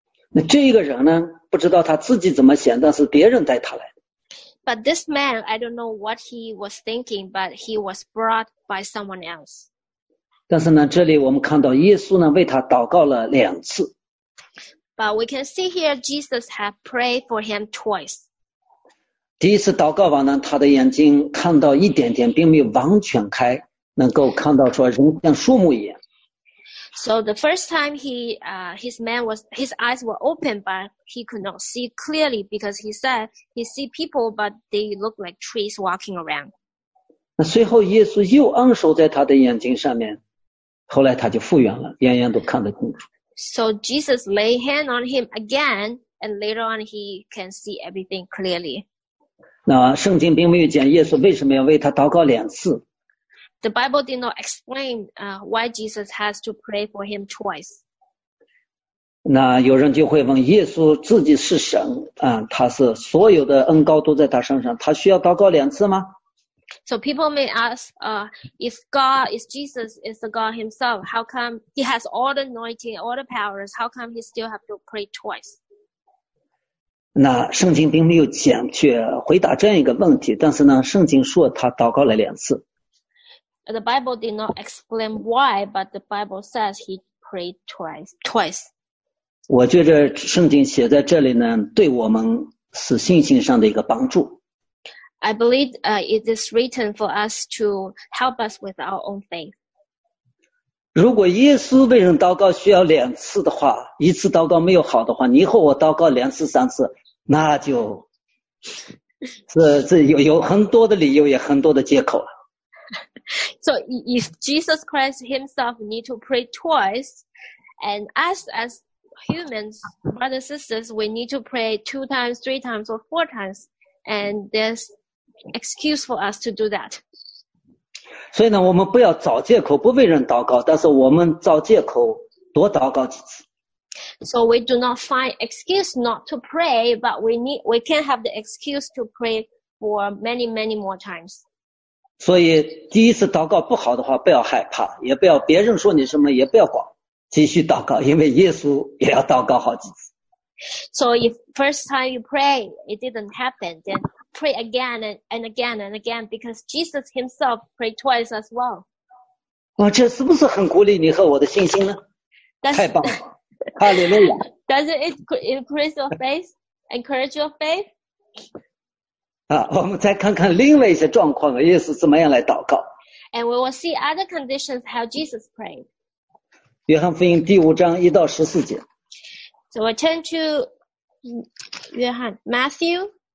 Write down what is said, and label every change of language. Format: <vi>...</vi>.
<zh>那这个人呢，不知道他自己怎么想，但是别人带他来。</zh> <en>But this man, I don't know what he was thinking, but he was brought by someone else.</en> <zh>但是呢，这里我们看到耶稣呢，为他祷告了两次。</zh> <en>But we can see here Jesus had prayed for him twice.</en> <zh>第一次祷告完呢，他的眼睛看到一点点，并没有完全开，能够看到说人像树木一样。</zh> <en>So the first time his eyes were open, but he could not see clearly because he said he see people, but they look like trees walking around.</en> <zh>那随后耶稣又按手在他的眼睛上面，后来他就复原了，样样都看得清楚。</zh> <en>So Jesus laid hand on him again, and later on he can see everything clearly.</en> <zh>那圣经并没有讲耶稣为什么要为他祷告两次。</zh> <en>The Bible did not explain why Jesus has to pray for him twice.</en> <zh>那有人就会问，耶稣自己是神，他是所有的恩膏都在他身上，他需要祷告两次吗？</zh> <en>So people may ask, if Jesus is the God himself, how come he has all the anointing, all the powers, how come he still have to pray twice?</en> <zh>那圣经并没有讲却回答这样一个问题，但是呢，圣经说他祷告了两次。</zh> <en>The Bible did not explain why, but the Bible says he prayed twice.</en> <zh>我觉得圣经写在这里呢，对我们是信心上的一个帮助。</zh> <en>I believe it is written for us to help us with our own faith.</en> <zh>如果耶稣为人祷告需要两次的话，一次祷告没有好的话，你和我祷告两次三次，那就这 有很多的理由，也很多的借口了。</zh> <en>So if Jesus Christ himself need to pray twice, and us as humans, brothers and sisters, we need to pray two times, three times, or four times, and there's excuse for us to do that.</en> <zh>所以呢，我们不要找借口不为人祷告，但是我们找借口多祷告几次。</zh> <en>So we do not find excuse not to pray, but we can have the excuse to pray for many, many more times.</en> <zh>所以第一次祷告不好的话，不要害怕，也不要别人说你什么，也不要管，继续祷告，因为耶稣也要祷告好几次。</zh> <en>So if first time you pray it didn't happen, then pray again and again and again because Jesus himself prayed twice as well.</en> <zh>哇，这是不是很鼓励你和我的信心呢？</zh> <en>That's,</en> <zh>太棒了，哈利路亚。</zh> <en>Doesn't it increase your faith? Encourage your faith?</en> <zh>我们再看看另外一些状况，耶稣怎么样来祷告。</zh> <en>And we will see other conditions how Jesus prayed.</en> <zh>约翰福音第五章一到十四节。</zh> <en>So we turn to 约翰 Matthew.</en>